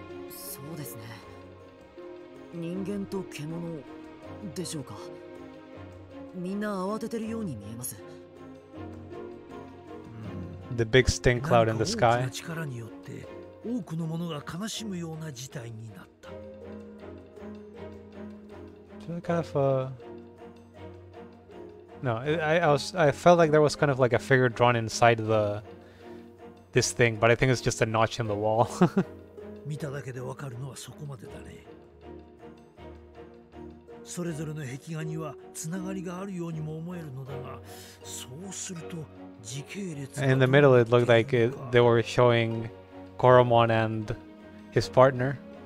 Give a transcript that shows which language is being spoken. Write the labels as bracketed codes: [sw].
[ja] そうですね。人間と獣でしょうか。みんな慌ててるように見えます。 [en] The big stink cloud in the sky. [ja] 大きな力によって多くのものが悲しむような事態になった。 [en] Feel like I've, No, I felt like there was kind of like a figure drawn inside the this thing, but I think it's just a notch in the wall. [ja] 見ただけでわかるのはそこまでだね。それぞれの壁画にはつながりがあるようにも思えるのだが、そうすると時系列が。 [en] In the middle, it looked like they were showing Koromon and his partner.